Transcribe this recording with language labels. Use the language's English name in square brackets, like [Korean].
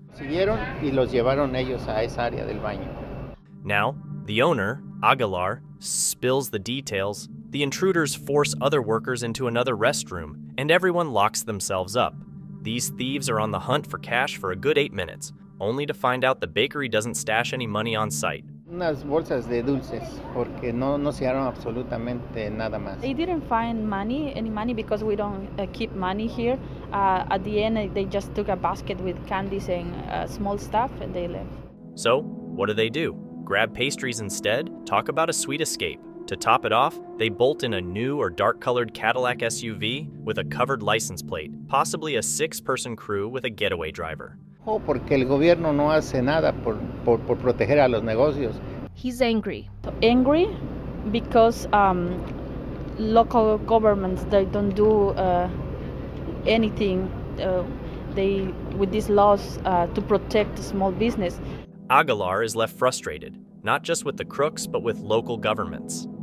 [Spanish] Siguieron y los llevaron ellos a esa área del baño. [English] Now, the owner, Aguilar, spills the details. The intruders force other workers into another restroom, and everyone locks themselves up. These thieves are on the hunt for cash for a good 8 minutes, only to find out the bakery doesn't stash any money on site. [Spanish] Unas bolsas de dulces, porque no se llevaron absolutamente nada más. [English] They didn't find money, any money, because we don't keep money here. At the end, they just took a basket with candies and small stuff, and they left. So, what do? Grab pastries instead? Talk about a sweet escape. To top it off, they bolt in a new or dark-colored Cadillac SUV with a covered license plate, possibly a six-person crew with a getaway driver. [Spanish] Oh, porque el gobierno no hace nada por proteger a los negocios. [English] He's angry. Angry because local governments, they don't do anything with these laws to protect small business. Aguilar is left frustrated, not just with the crooks, but with local governments.